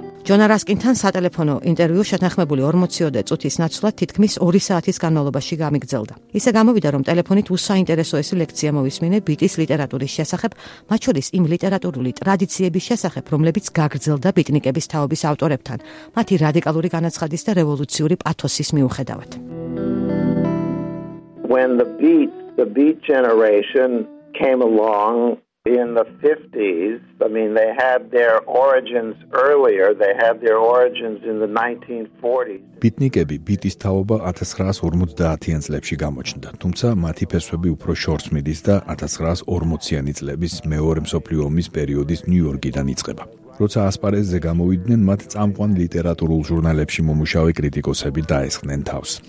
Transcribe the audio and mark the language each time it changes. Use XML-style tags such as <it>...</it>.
<ka>ჯონა რასკინთან სატელეფონო ინტერვიუ შეთანხმებული 40-ამდე წუთის ნაცვლად თითქმის 2 საათის განმავლობაში გამიგრძელდა. ისე გამოვიდა, რომ ტელეფონით უსაინტერესო ეს ლექცია მოვისმინე ბიტის ლიტერატურის შესახებ, მათ შორის იმ ლიტერატურული ტრადიციების შესახებ, რომლებიც გაგრძელდა ბიტნიკების თაობის ავტორებთან, მათი რადიკალური განაცხადის და რევოლუციური პათოსის მიუხედავად.</ka> <en>When the beat generation came along in the 50s, I mean, they had their origins earlier, they had their origins in the 1940s.</en> <ka>Bitnikebi bitis taoba 1950-იან წლებში გამოჩნდა, თუმცა მათი ფესვები უფრო შორს მიდის და 1940-იანი წლების მეორე მსოფლიო ომის პერიოდის ნიუ-იორკიდან იწყება. როცა ასპარეზზე გამოვიდნენ, მათ წამყვან ლიტერატურულ ჟურნალებში მომუშავე კრიტიკოსები დაესხნენ თავს.</ka>